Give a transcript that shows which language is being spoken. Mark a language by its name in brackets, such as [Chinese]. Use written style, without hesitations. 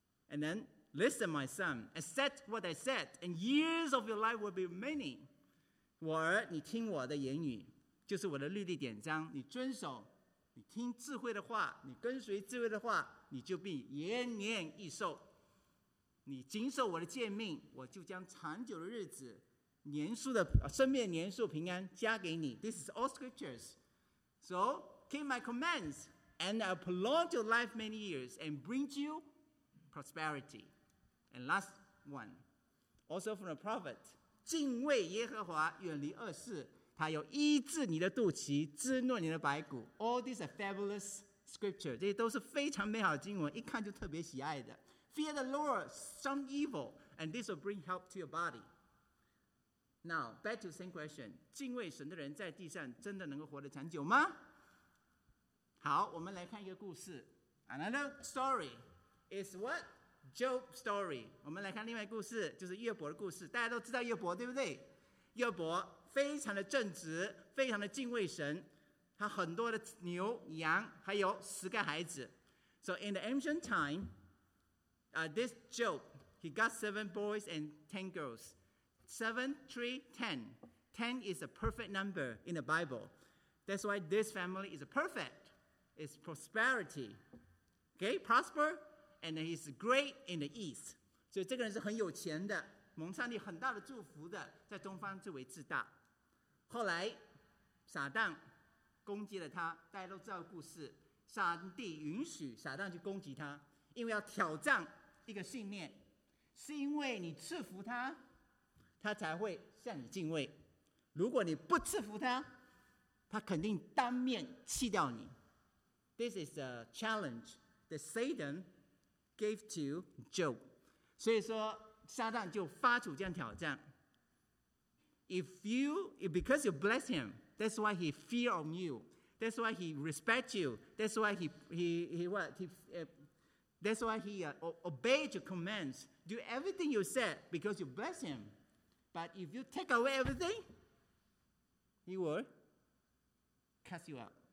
[English] And then, listen my son, accept what I said, and years of your life will be many. [Chinese] 我儿，你听我的言语，就是我的律例典章，你遵守，你听智慧的话，你跟随智慧的话，你就必延年益寿。你谨守我的诫命，我就将长久的日子，年数的生命年数平安加给你。 [English] This is all scriptures. So keep my commands and I'll prolong your life many years and bring you prosperity. And last one, also from the prophet, [Chinese] 敬畏耶和华，远离恶事，他要医治你的肚脐，滋润你的白骨。 [English] All these are fabulous scriptures. [Chinese] 这些都是非常美好的经文，一看就特别喜爱的。 [English] Fear the Lord, shun evil, and this will bring help to your body. Now, back to the same question. [Chinese] 敬畏神的人在地上真的能够活得长久吗？好，我们来看一个故事。 [English] Another story is what? Job's story. [Chinese] 我们来看另外一个故事，就是约伯的故事。大家都知道约伯，对不对？约伯非常的正直，非常的敬畏神。他很多的牛、羊，还有十个孩子。 [English] So in the ancient time, this Job, he got 7 boys and 10 girls. 7, 3, 10 is a perfect number in the Bible. That's why this family is perfect. It's prosperity. Okay, prosper, and he's great in the east. [Chinese] 所以这个人是很有钱的，蒙上帝很大的祝福的，在东方最为自大。后来，撒旦攻击了他，大家都知道故事。上帝允许撒旦去攻击他，因为要挑战一个信念，是因为你赐福他。他才会向你敬畏，如果你不赐福他，他肯定当面弃掉你。 [English] This is a challenge that Satan gave to Job. [Chinese] 所以说撒旦就发出这样挑战。 [English] Because you bless him, that's why he fear on you, that's why he respect you, that's why he obeyed your commands, do everything you said because you bless him. But if you take away everything, he will cast you out.